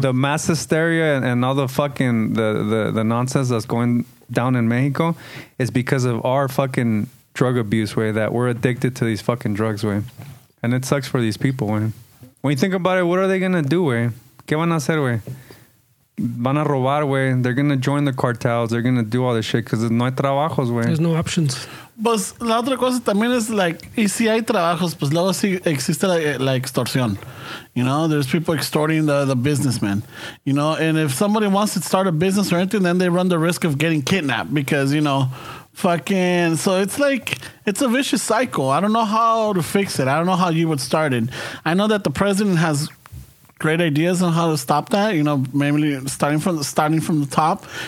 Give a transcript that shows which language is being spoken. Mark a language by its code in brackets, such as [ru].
[en] The mass hysteria and all the fucking the nonsense that's going down in Mexico is because of our fucking drug abuse, way, that we're addicted to these fucking drugs, way. And it sucks for these people, way. When you think about it, what are they going to do, way? [es] ¿Qué van a hacer, way? Van a robar, [en] way. They're going to join the cartels. They're going to do all this shit because [es] no hay trabajos, [en] way. There's no options. [es] Pues la otra cosa también es like, y si hay trabajos, pues luego sí existe la extorsión. [en] You know, there's people extorting the businessmen. You know, and if somebody wants to start a business or anything, then they run the risk of getting kidnapped because, you know, fucking. So it's like, it's a vicious cycle. I don't know how to fix it. I don't know how you would start it. I know that the president has great ideas on how to stop that, you know, mainly starting from the top.